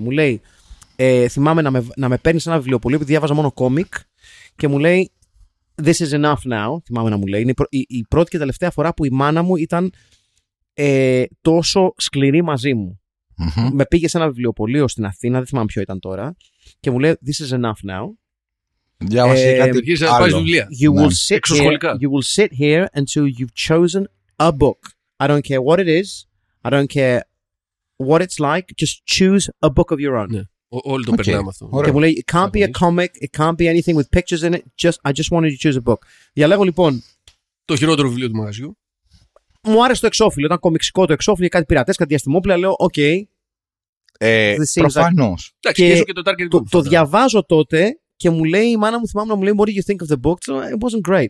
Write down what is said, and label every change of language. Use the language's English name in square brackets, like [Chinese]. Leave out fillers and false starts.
[Greek] Μου λέει, θυμάμαι να με παίρνει ένα βιβλιοπωλείο που διάβαζα μόνο κόμικ και μου λέει, [English] this is enough now, [Greek] θυμάμαι να μου λέει. Είναι η πρώτη και τελευταία φορά που η μάνα μου ήταν τόσο σκληρή μαζί μου. Mm-hmm. Με πήγε σε ένα βιβλιοπωλείο στην Αθήνα, δεν θυμάμαι ποιο ήταν τώρα, και μου λέει, [English] this is enough now. [Greek] Διάβασε κάτι άλλο. Πάει βιβλία. [English] You will sit here, you will sit here until you've chosen a book. I don't care what it is. I don't care what it's like. Just choose a book of your own. [Greek] Ναι. Όλοι το περνάμε αυτό. Και μου λέει, [English] it can't be a comic. It can't be anything with pictures in it. Just, I just wanted to choose a book. [Greek] Διαλέγω λοιπόν. Το χειρότερο βιβλίο του μαγαζιού. Μου άρεσε το εξώφυλλο. Ήταν κομιξικό το εξώφυλλο. Κάτι πειρατές, κάτι διαστημόπλαια. Λέω, οκ. Okay. Προφανώς. Εντάξει, και το target group. Το διαβάζω τότε και μου λέει, η μάνα μου θυμάμαι να μου λέει, [English] what do you think of the book? So, it wasn't great.